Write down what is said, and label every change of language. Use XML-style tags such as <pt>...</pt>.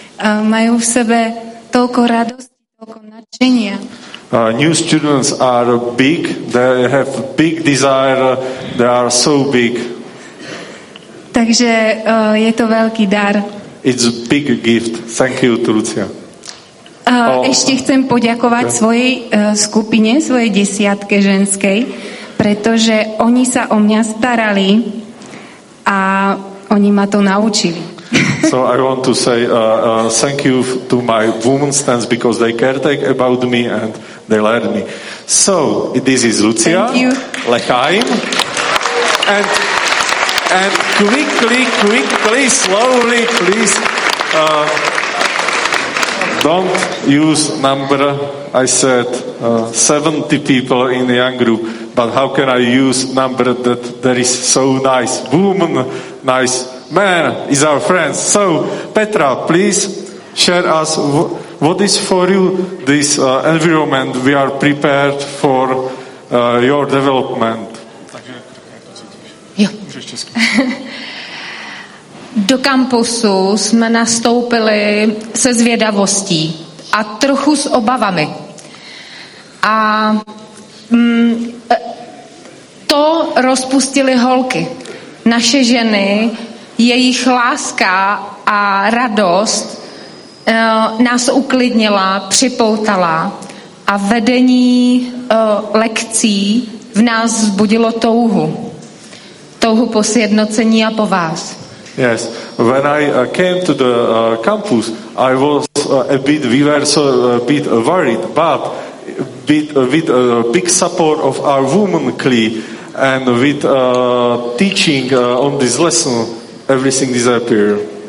<sk>Majú v sebe toľko radosti, toľko nadšenia.</sk> <en>New students are big, they have big desire, they are so big.</en> <sk>Takže je to veľký dar.</sk> <en>It's a big gift. Thank you to Lucia. Ešte chcem poďakovať svojej skupine, svojej desiatke ženskej, pretože oni sa o mňa starali a oni ma to naučili. So I want to say thank you to my women's friends because they caretake about me and they learn me. So, this is Lucia Lechaim. And And quickly, slowly, please. Don't use number. I said 70 people in the young group, but how can I use number that there is so nice woman, nice man is our friends. So Petra, please share us what is for you this environment we are prepared for your development.</en> <cs>Do kampusu jsme nastoupili se zvědavostí a trochu s obavami. A to rozpustili holky. Naše ženy, jejich láska a radost nás uklidnila, připoutala a vedení lekcí v nás vzbudilo touhu. Touhu po sjednocení a po vás.</cs> <en>Yes, when I came to the campus, I was a bit worried, but with a big support of our woman clique and with teaching on this lesson, everything disappeared.</en>